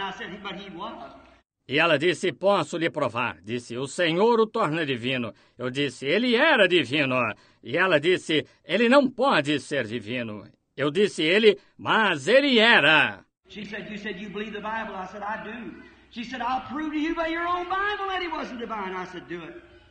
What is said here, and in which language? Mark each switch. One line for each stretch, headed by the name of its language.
English: I said, but he was.
Portuguese: E ela disse, posso lhe provar. Disse, o Senhor o torna divino. Eu disse, ele era divino. E ela disse, ele não pode ser divino. Eu disse, ele, mas ele era.
English: She said, you believe the Bible. I said, I do. She said, I'll prove to you by your own Bible that he wasn't divine. I said, do it.